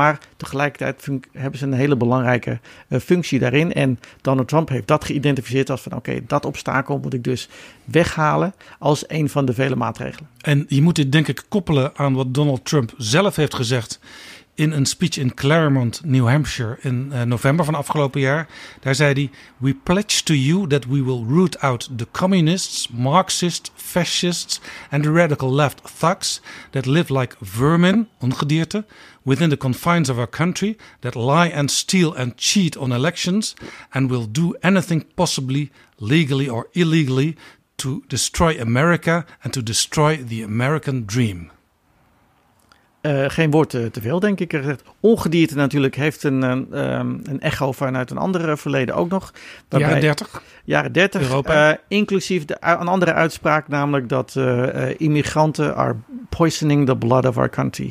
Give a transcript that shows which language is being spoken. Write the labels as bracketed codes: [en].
[nl] Maar tegelijkertijd hebben ze een hele belangrijke functie daarin. En Donald Trump heeft dat geïdentificeerd als van oké, dat obstakel moet ik dus weghalen als een van de vele maatregelen. En je moet dit denk ik koppelen aan wat Donald Trump zelf heeft gezegd in een speech in Claremont, New Hampshire, in november van afgelopen jaar. Daar zei hij: [en] "We pledge to you that we will root out the communists, Marxists, fascists and the radical left thugs that live like vermin, ongedierte, within the confines of our country, that lie and steal and cheat on elections, and will do anything possibly, legally or illegally, to destroy America and to destroy the American dream." [nl] Geen woord te veel, denk ik. Ongedierte natuurlijk heeft een echo vanuit een andere verleden ook nog. Waarbij, jaren 30. Jaren 30. Europa. Inclusief een andere uitspraak, namelijk dat immigranten [en] are poisoning the blood of our country.